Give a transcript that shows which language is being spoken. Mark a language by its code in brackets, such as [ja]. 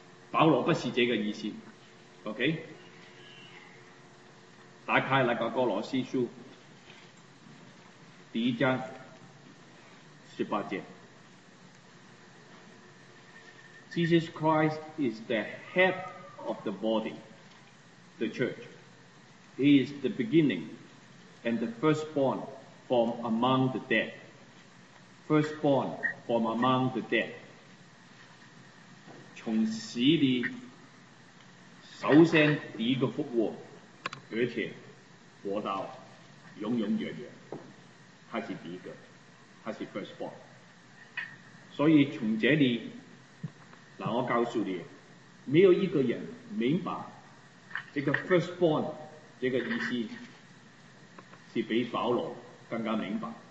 [zh] 保罗不是这个意思， OK， 打开那个哥罗西书第一章十八节， [en] Jesus Christ is the head of the body, the church. He is the beginning and the firstborn from among the dead. Firstborn from among the dead. [zh] 从死里首先第一个复活，而且活到永永远远。他是第一个，他是 firstborn。所以从这里，那我告诉你，没有一个人明白这个 firstborn 这个意思，是比保罗更加明白。